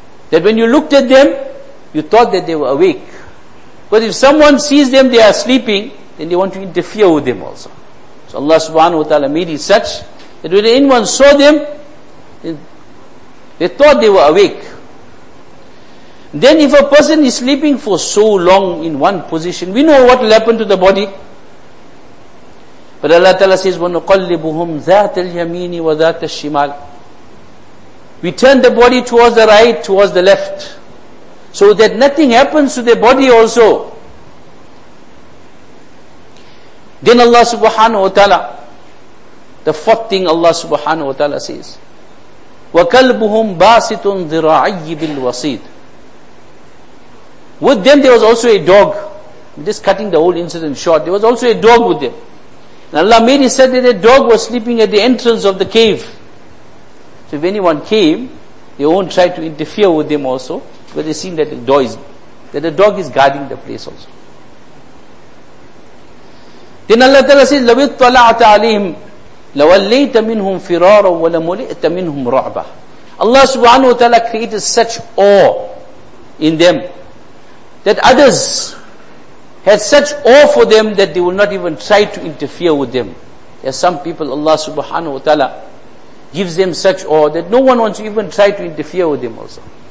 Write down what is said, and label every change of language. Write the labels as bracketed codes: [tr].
[en] That when you looked at them, you thought that they were awake. But if someone sees them, they are sleeping, then they want to interfere with them also. So Allah subhanahu wa ta'ala made it such that when anyone saw them, they thought they were awake. Then if a person is sleeping for so long in one position, we know what will happen to the body. But Allah ta'ala says, [ar] وَنُقَلِّبُهُمْ ذَاتَ الْيَمِينِ وَذَاتَ الشِّمَالِ. [en] We turn the body towards the right, towards the left, so that nothing happens to their body also. Then Allah subhanahu wa ta'ala, the fourth thing Allah subhanahu wa ta'ala says, [ar] وَكَلْبُهُمْ بَاسِطٌ ذِرَاعِيِّ بِالْوَصِيدِ. [en] With them there was also a dog. I'm just cutting the whole incident short. There was also a dog with them. And Allah made it said that a dog was sleeping at the entrance of the cave. So if anyone came, they won't try to interfere with them also, but they seen that the dog is guarding the place also. Then Allah Ta'ala says, [ar] لَوِطَّلَعْتَ عَلَيْهِمْ لَوَلَّيْتَ مِنْهُمْ فِرَارًا وَلَمُلِئْتَ مِنْهُمْ رَعْبًا. [en] Allah subhanahu wa ta'ala created such awe in them that others had such awe for them that they will not even try to interfere with them. There are some people Allah subhanahu wa ta'ala gives them such awe that no one wants to even try to interfere with them also.